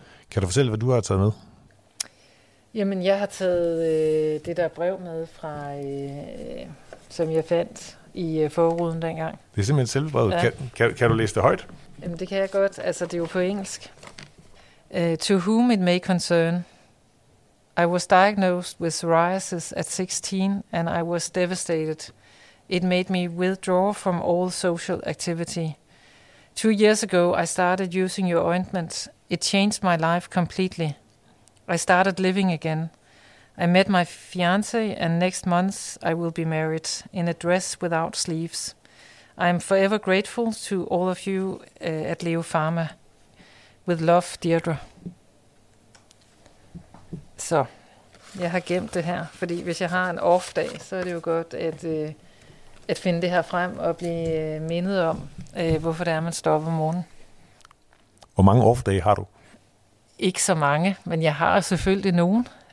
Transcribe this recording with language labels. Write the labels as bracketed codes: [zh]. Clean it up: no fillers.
[da] Kan du fortælle, hvad du har taget med? Jamen, jeg har taget det der brev med, fra, som jeg fandt i forruden dengang. Det er simpelthen selve brevet. Ja. Kan du læse det højt? Jamen, det kan jeg godt. Altså, det er jo på engelsk. [en] To whom it may concern. I was diagnosed with psoriasis at 16 and I was devastated. It made me withdraw from all social activity. 2 years ago, I started using your ointment. It changed my life completely. I started living again. I met my fiancé and next month I will be married in a dress without sleeves. I am forever grateful to all of you at Leo Pharma. With love, Deirdre. [da] Så, jeg har gemt det her, fordi hvis jeg har en off-dag, så er det jo godt at finde det her frem og blive mindet om, hvorfor det er, man står om morgenen. Hvor mange off-dage har du? Ikke så mange, men jeg har selvfølgelig nogen.